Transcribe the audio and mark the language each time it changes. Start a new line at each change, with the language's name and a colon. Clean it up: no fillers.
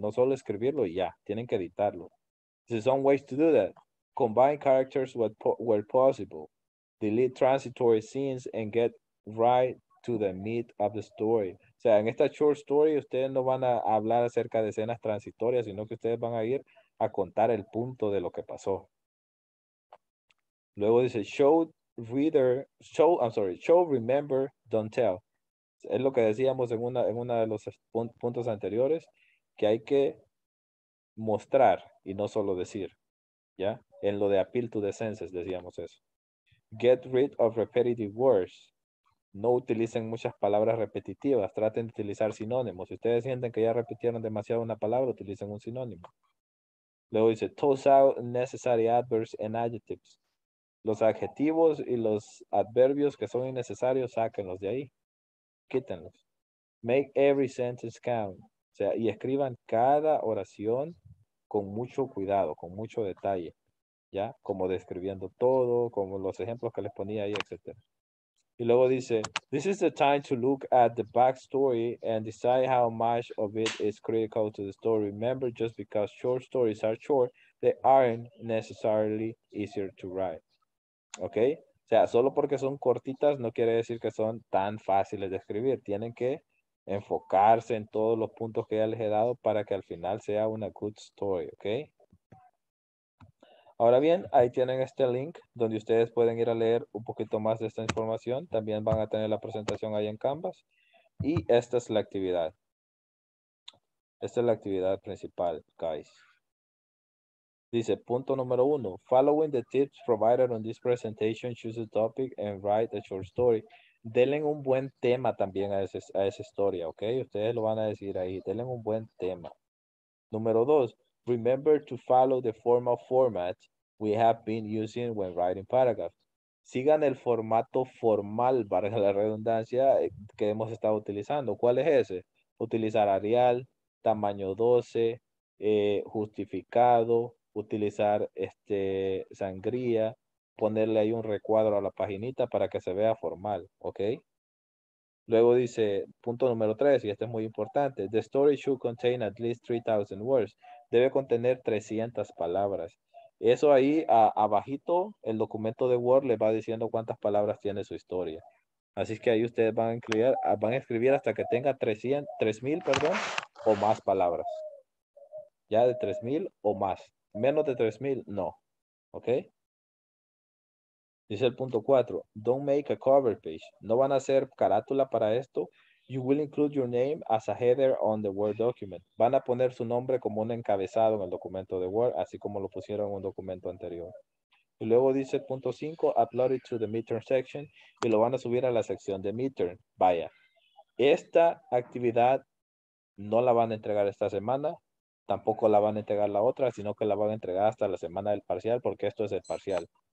Spanish: No solo escribirlo y ya, tienen que editarlo.
English: There are some ways to do that. Combine characters where possible. Delete transitory scenes and get right to the meat of the story.
Spanish: O sea, en esta short story, ustedes no van a hablar acerca de escenas transitorias, sino que ustedes van a ir a contar el punto de lo que pasó. Luego dice,
English: show, remember, don't tell.
Spanish: Es lo que decíamos en una de los puntos anteriores, que hay que mostrar y no solo decir, ¿ya? En lo de
English: appeal to the senses
Spanish: decíamos eso.
English: Get rid of repetitive words.
Spanish: No utilicen muchas palabras repetitivas. Traten de utilizar sinónimos. Si ustedes sienten que ya repitieron demasiado una palabra, utilicen un sinónimo. Luego dice,
English: toss out necessary adverbs and adjectives.
Spanish: Los adjetivos y los adverbios que son innecesarios, sáquenlos de ahí. Quítenlos.
English: Make every sentence count.
Spanish: O sea, y escriban cada oración con mucho cuidado, con mucho detalle. ¿Ya? Como describiendo todo, como los ejemplos que les ponía ahí, etc. Y luego dice,
English: this is the time to look at the backstory and decide how much of it is critical to the story. Remember, just because short stories are short, they aren't necessarily easier to write. ¿Ok?
Spanish: O sea, solo porque son cortitas no quiere decir que son tan fáciles de escribir. Tienen que enfocarse en todos los puntos que ya les he dado para que al final sea una
English: good story,
Spanish: ¿ok? Ahora bien, ahí tienen este link donde ustedes pueden ir a leer un poquito más de esta información. También van a tener la presentación ahí en Canvas. Y esta es la actividad. Esta es la actividad principal, guys. Dice, punto número uno.
English: Following the tips provided on this presentation, choose a topic and write a short story.
Spanish: Denle un buen tema también a esa historia, ¿ok? Ustedes lo van a decir ahí. Denle un buen tema. Número dos. Remember to follow the formal format we have been using when writing paragraphs. Sigan el formato formal, valga la redundancia, que hemos estado utilizando. ¿Cuál es ese? Utilizar Arial, tamaño 12, justificado, utilizar sangría, ponerle ahí un recuadro a la paginita para que se vea formal, ¿ok? Luego dice, punto número 3, y este es muy importante.
English: The story should contain at least 3,000 words.
Spanish: Debe contener 300 palabras. Eso ahí, abajito, el documento de Word le va diciendo cuántas palabras tiene su historia. Así que ahí ustedes van a escribir hasta que tenga 3,000, perdón, o más palabras. Ya de 3,000 o más. Menos de 3,000, no. ¿Ok? Dice el punto 4.
English: Don't make a cover page.
Spanish: No van a hacer carátula para esto.
English: You will include your name as a header on the Word document.
Spanish: Van a poner su nombre como un encabezado en el documento de Word, así como lo pusieron en un documento anterior. Y luego dice el punto 5,
English: upload it to the midterm section,
Spanish: y lo van a subir a la sección de midterm. Vaya, esta actividad no la van a entregar esta semana, tampoco la van a entregar la otra, sino que la van a entregar hasta la semana del parcial, porque esto es el parcial.